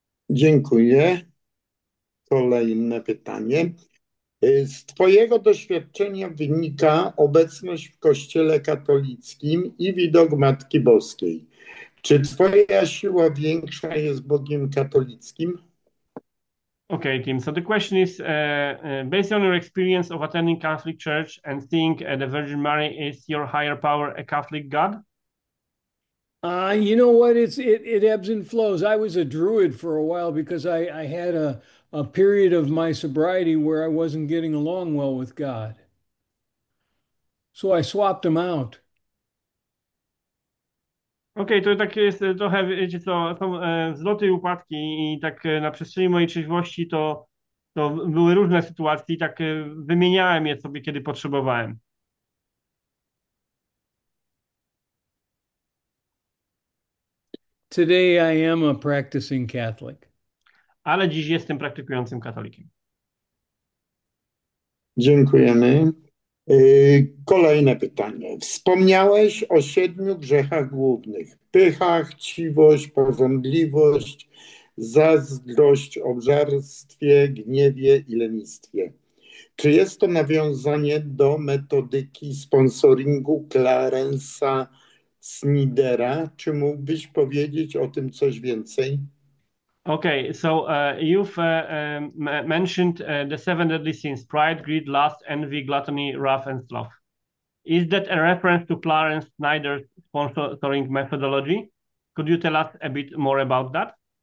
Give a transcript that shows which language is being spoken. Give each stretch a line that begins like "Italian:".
Polish: Dziękuję. Kolejne pytanie. Z Twojego doświadczenia wynika obecność w Kościele katolickim i widok Matki Boskiej. Czy Twoja siła większa jest Bogiem katolickim?
English: Okay, Tim. So the question is based on your experience of attending Catholic Church and seeing the Virgin Mary, is your higher power a Catholic God? You know what? It ebbs and flows. I was a druid for a while because I had a period of my sobriety where I wasn't getting along well with God. So I swapped him out.
Polish: Okej, okay, to tak jest trochę, wiecie co, są wzloty i upadki i tak na przestrzeni mojej trzeźwości to były różne sytuacje i tak wymieniałem je sobie, kiedy potrzebowałem.
English: Today I am a practicing Catholic.
Polish: Ale dziś jestem praktykującym katolikiem. Dziękujemy. Kolejne pytanie. Wspomniałeś o siedmiu grzechach głównych: pycha, chciwość, pożądliwość, zazdrość, obżarstwie, gniewie i lenistwie. Czy jest to nawiązanie do metodyki sponsoringu Clarence'a Snidera? Czy mógłbyś powiedzieć o tym coś więcej?
English: Okay, so you've mentioned the seven deadly sins: pride, greed, lust, envy, gluttony, wrath, and sloth. Is that a reference to Clarence Snyder's sponsoring methodology? Could you tell us a bit more about that?